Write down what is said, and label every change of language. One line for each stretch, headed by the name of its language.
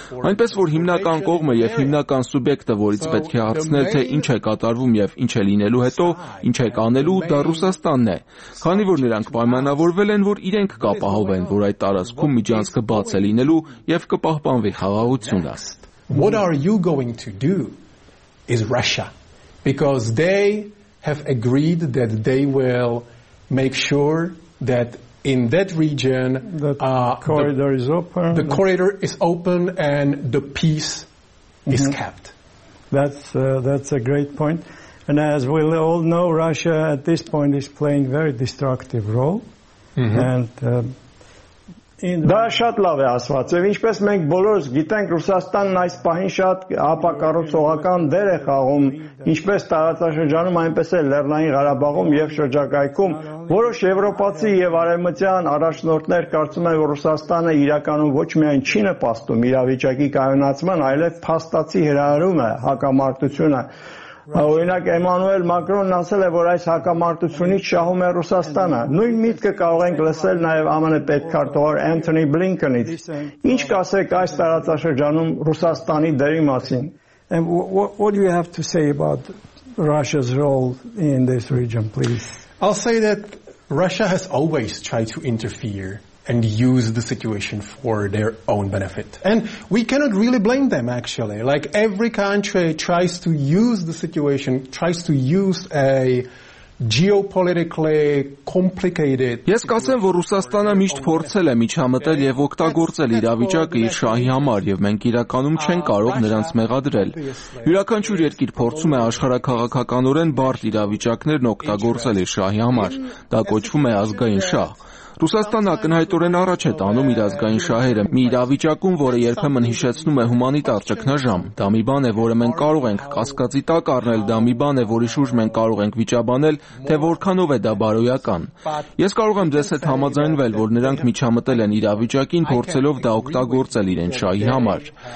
Armenian: Այնպես որ հիմնական կողմը եւ հիմնական սուբյեկտը, որից պետք է հարցնել, թե ինչ է կատարվում եւ ինչ է լինելու հետո, ինչ է կանելու, դա Ռուսաստանն է, քանի որ նրանք պայմանավորվել են, որ իրենք կապահովեն, որ այդ տարածքում միջանցքը բաց է լինելու եւ կպահպանվի խաղաղությունը։
English: What are you going to do is Russia, because they have agreed that they will make sure that in that region the corridor is open, the corridor is open and the peace is kept. That's a great point. And as we all know, Russia at this point is playing very destructive role.
Armenian: Դա շատ լավ է ասված, եւ ինչպես մենք բոլորս գիտենք, Ռուսաստանն այս պահին շատ ապակառուցողական դեր է խաղում, ինչպես տարածաշրջանում, այնպես էլ Լեռնային Ղարաբաղում եւ շրջակայքում։ Որոշ եվրոպացի եւ արևմտյան առաջնորդներ կարծում են, որ Ռուսաստանը իրականում ոչ միայն չի նպաստում իրավիճակի կայունացման, այլև փաստացի հրահարում է հակամարտությունը։ Օրինակ Էմանուել Մակրոնն ասել է, որ այս հակամարտությունից շահում է Ռուսաստանը։ Նույն միտքը կարող ենք լսել նաև ԱՄՆ պետքարտուղար Անթոնի Բլինքենից։ Ինչ կասեք այս տարածաշրջանում Ռուսաստանի դերի մասին?
English: And what do you have to say about Russia's role in this region, please? I'll say that Russia has always tried to interfere and use the situation for their own benefit. And we cannot really blame them, actually. Like, every country tries to use the situation, tries to use a geopolitically complicated.
Armenian: Ես կասեմ, որ Ռուսաստանը միշտ փորձել է միջամտել եւ օգտագործել իրավիճակը իր շահի համար, եւ մենք իրականում չեն կարող նրանց մեղադրել։ Յուրաքանչյուր երկիր փորձում է աշխարհակաղակականորեն բարդ իրավիճակներն օգտագործել իր շահի համար։ Դա կոչվում է ազգային շահ։ Ռուսաստանն ակնհայտորեն առաջ է տանում իր ազգային շահերը, մի իրավիճակում, որը երբեմն հիշեցնում է հումանիտար ճգնաժամ։ Դա մի բան է, որը մենք կարող ենք կասկածի տակ առնել, դա մի բան է, որի շուրջ մենք կարող ենք վիճաբանել, թե որքանով է դա բարոյական։ Ես կարող եմ ձեզ հետ համաձայնվել, որ նրանք միջամտել են իրավիճակին, փորձելով դա օգտագործել իրենց շահի համար։